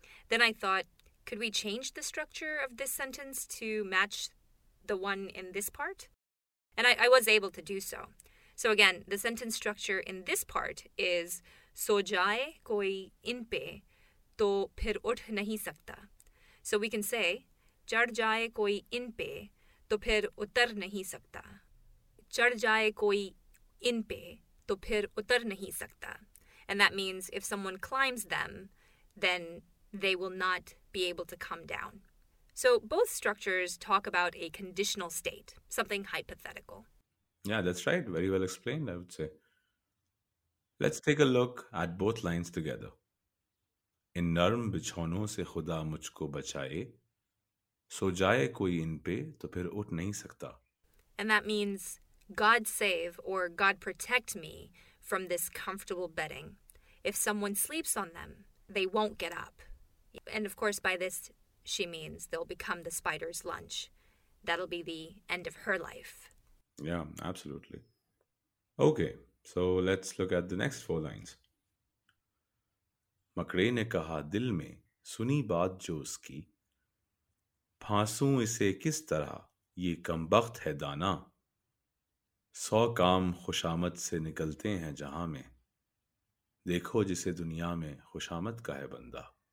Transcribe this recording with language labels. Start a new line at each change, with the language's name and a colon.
English: Then I thought, could we change the structure of this sentence to match the one in this part? And I was able to do so. So again, the sentence structure in this part is
Hindi: so jaye koi inpe, तो फिर उठ नहीं सकता.
English: So we can say,
Hindi: चढ़ जाए कोई इन पे तो फिर उतर नहीं सकता. चढ़ जाए कोई इन पे तो फिर उतर नहीं सकता.
English: And that means if someone climbs them, then they will not be able to come down. So both structures talk about a conditional state, something hypothetical. Yeah, that's right. Very well explained, I would say. Let's take a look at both lines together.
Hindi: इन नर्म बिछौनों से खुदा मुझको बचाए, सो जाए कोई इन पे तो फिर उठ नहीं सकता.
English: And that means, God save or God protect me from this comfortable bedding. If someone sleeps on them, they won't get up. And of course, by this, she means they'll become the spider's lunch. That'll be the end of her life. Yeah, absolutely. Okay, so let's look at the next four lines.
Hindi: मकड़े ने कहा दिल में सुनी बात जो उसकी फांसू इसे किस तरह ये कमबख्त है दाना. सौ काम खुशामद से निकलते हैं जहां में, देखो जिसे दुनिया में खुशामद का है बंदा.